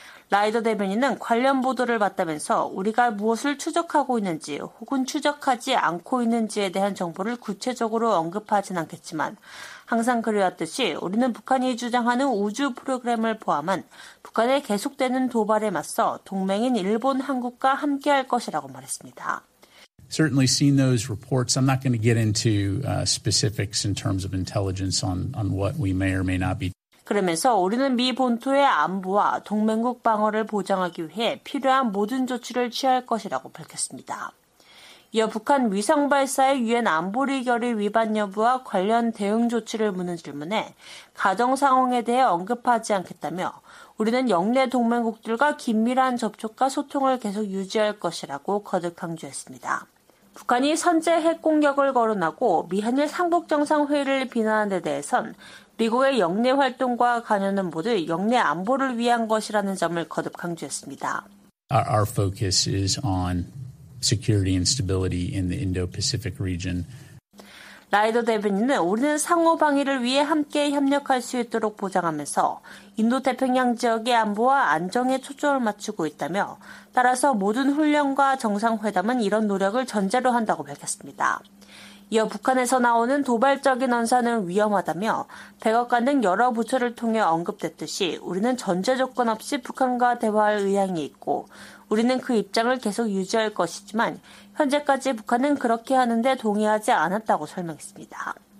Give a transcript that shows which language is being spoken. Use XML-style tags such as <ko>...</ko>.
<ko>라이더 대변인은 관련 보도를 받다면서 우리가 무엇을 추적하고 있는지 혹은 추적하지 않고 있는지에 대한 정보를 구체적으로 언급하진 않겠지만 항상 그래왔듯이 우리는 북한이 주장하는 우주 프로그램을 포함한 북한의 계속되는 도발에 맞서 동맹인 일본, 한국과 함께할 것이라고 말했습니다.</ko> <en>Certainly seen those reports. I'm not going to get into specifics in terms of intelligence on what we may or may not be.</en> <ko>그러면서 우리는 미 본토의 안보와 동맹국 방어를 보장하기 위해 필요한 모든 조치를 취할 것이라고 밝혔습니다. 이어 북한 위성 발사의 유엔 안보리 결의 위반 여부와 관련 대응 조치를 묻는 질문에 가정 상황에 대해 언급하지 않겠다며 우리는 역내 동맹국들과 긴밀한 접촉과 소통을 계속 유지할 것이라고 거듭 강조했습니다. 북한이 선제 핵 공격을 거론하고 미한일 3국 정상회의를 비난한 데 대해선 미국의 역내 활동과 관여는 모두 역내 안보를 위한 것이라는 점을 거듭 강조했습니다.</ko> <en>Our focus is on security and stability in the Indo-Pacific region.</en> <ko>라이더 대변인은 우리는 상호 방위를 위해 함께 협력할 수 있도록 보장하면서 인도태평양 지역의 안보와 안정에 초점을 맞추고 있다며 따라서 모든 훈련과 정상회담은 이런 노력을 전제로 한다고 밝혔습니다. 이어 북한에서 나오는 도발적인 언사는 위험하다며 백악관 등 여러 부처를 통해 언급됐듯이 우리는 전제 조건 없이 북한과 대화할 의향이 있고 우리는 그 입장을 계속 유지할 것이지만 현재까지 북한은 그렇게 하는데 동의하지 않았다고 설명했습니다.</ko>